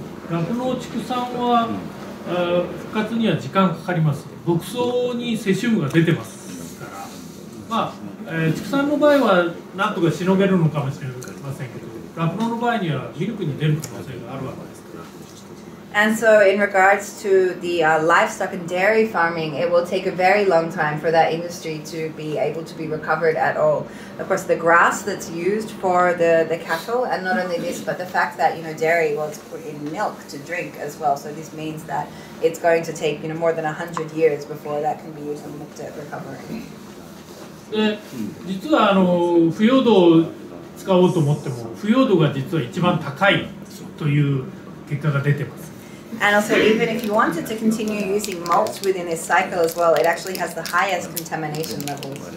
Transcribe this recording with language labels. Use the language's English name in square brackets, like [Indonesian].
[Japanese] 酪農畜産は復活には時間かかります。牧草にセシウムが出てますから、まあ畜産の場合はなんとかしのげるのかもしれませんけど、酪農の場合にはミルクに出る可能性があるわけですから。 [English] And so in regards to the livestock and dairy farming, it will take a very long time for that industry to be able to be recovered at all. Of course, the grass that's used for the cattle, and not only this, but the fact that, you know, dairy was put in milk to drink as well. So this means that it's going to take, you know, more than 100 years before that can be used and looked at recovering. [Japanese] で、実は腐葉土を使おうと思っても、腐葉土が実は一番高いという結果が出てます。 [English] And also, even if you wanted to continue using mulch within this cycle as well, it actually has the highest contamination levels.